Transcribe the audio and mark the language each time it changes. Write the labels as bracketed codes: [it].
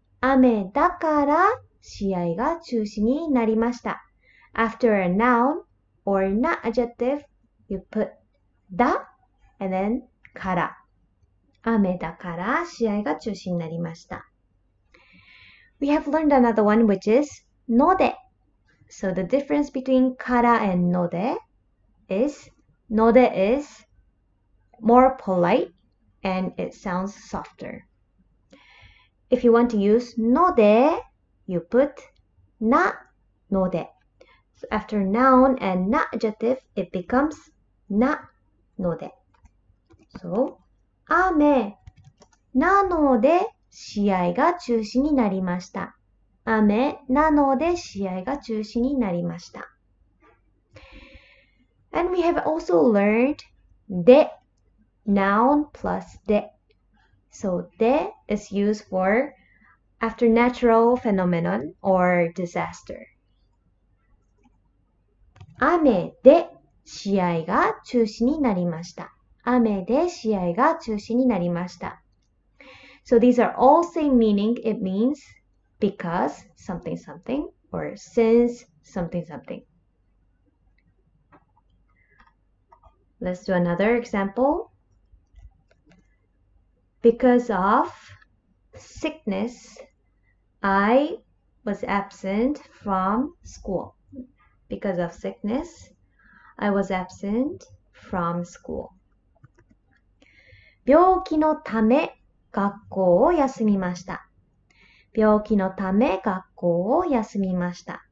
[ja] 雨だから試合が中止になりました。 [en] After a noun or not adjective, you put だ. And then, から. [ja] 雨だから試合が中止になりました。 [en] We have learned another one, which is ので. So the difference between から and ので is ので is more polite and it sounds softer. If you want to use ので, you put なので. So after noun and な adjective, it becomes [ja] なので. So, 雨なので試合が中止になりました. 雨なので試合が中止になりました. [en] And we have also learned で, noun plus で. So, で is used for after natural phenomenon or disaster. 雨で試合が中止になりました. 雨で試合が中止になりました. So these are all same meaning. It means because something something or since something something. Let's do another example. Because of sickness, I was absent from school. Because of sickness, I was absent from school. [ja] 病気のため学校を休みました. 病気のため学校を休みました.